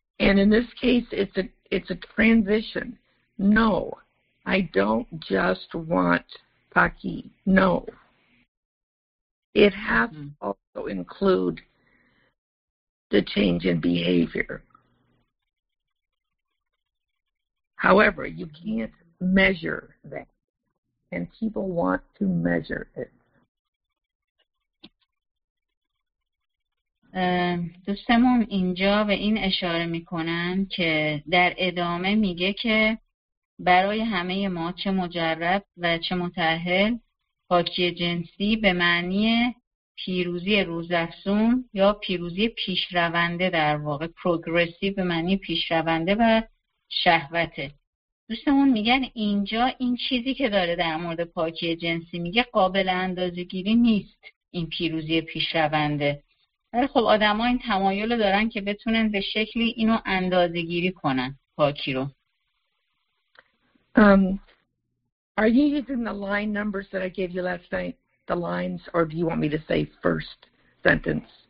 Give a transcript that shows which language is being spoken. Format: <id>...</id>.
<en>And in this case, it's a transition. No, I don't just want paki. No. It has mm-hmm. to also include the change in behavior. However, you can't measure that, and people want to measure it.</en> <fa>دوستمون اینجا به این اشاره میکنن که در ادامه میگه که برای همه ما چه مجرب و چه متأهل پاکی جنسی به معنی پیروزی روزافزون یا پیروزی پیشرونده در واقع پروگرسیو به معنی پیشرونده و شهوته. دوستمون میگن اینجا این چیزی که داره در مورد پاکی جنسی میگه قابل اندازه‌گیری نیست این پیروزی پیشرونده. ولی خب آدم ها این تمایل رو دارن که بتونن به شکلی اینو اندازه‌گیری کنن پاکی رو.</fa> <en>Are you using the line numbers that I gave you last night, the lines, or do you want me to say first sentence?</en>